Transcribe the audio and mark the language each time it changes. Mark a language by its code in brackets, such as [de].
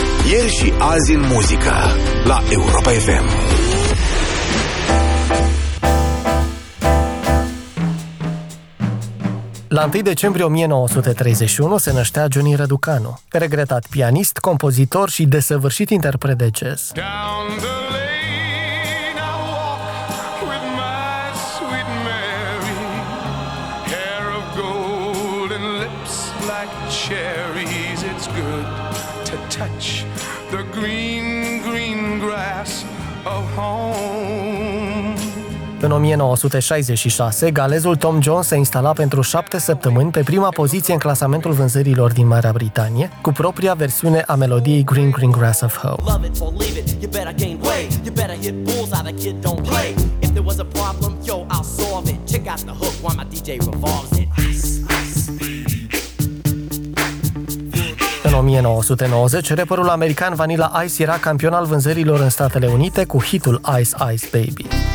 [ro] Ieri și azi în muzică, la Europa FM. La 1 decembrie 1931 se năștea Johnny Răducanu, regretat pianist, compozitor și desăvârșit interpret de jazz. [en] Down the lane I walk with my sweet Mary, hair of gold and lips like cherries. It's good to touch the green, green grass of home. [ro] În 1966, galezul Tom Jones se instala pentru 7 săptămâni pe prima poziție în clasamentul vânzărilor din Marea Britanie, cu propria versiune a melodiei Green Green Grass of Hope. [en] Love it or leave it, you better gain weight. You better hit bulls out of kid don't play. If there was a problem, yo, I'll solve it. Check out the hook while my DJ revolves it. [ro] În 1990, rapperul american Vanilla Ice era campion al vânzărilor în Statele Unite cu hitul Ice Ice Baby.